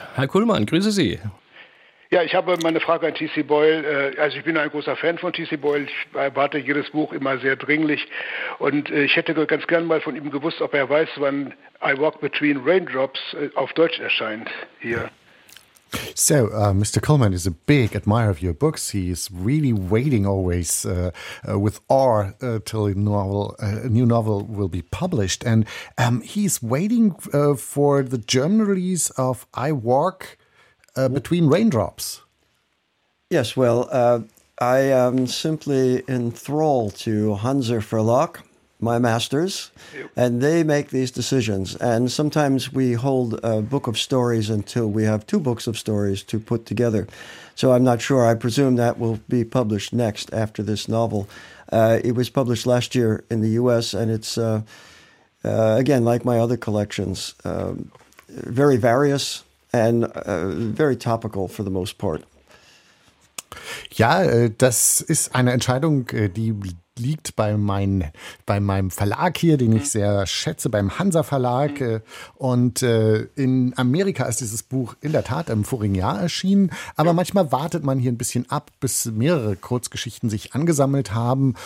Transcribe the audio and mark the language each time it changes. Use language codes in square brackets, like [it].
[de] Herr Kuhlmann, grüße Sie. Ja, ich habe meine Frage an T.C. Boyle. Also ich bin ein großer Fan von T.C. Boyle. Ich erwarte jedes Buch immer sehr dringlich. Und ich hätte ganz gern mal von ihm gewusst, ob er weiß, wann I Walk Between Raindrops auf Deutsch erscheint hier. [en] So, Mr. Coleman is a big admirer of your books. He is really waiting always with awe till a new novel will be published. And he's waiting for the German release of I Walk Between Raindrops. Yes, well, I am simply enthralled to Hansa Verlag, my masters, and they make these decisions. And sometimes we hold a book of stories until we have two books of stories to put together. So I'm not sure. I presume that will be published next after this novel. It was published last year in the U.S., and it's, again, like my other collections, very various and very topical for the most part. [de] Ja, das ist eine Entscheidung, die liegt bei meinem Verlag hier, den ich sehr schätze, beim Hansa Verlag. Und in Amerika ist dieses Buch in der Tat im vorigen Jahr erschienen. Aber manchmal wartet man hier ein bisschen ab, bis mehrere Kurzgeschichten sich angesammelt haben.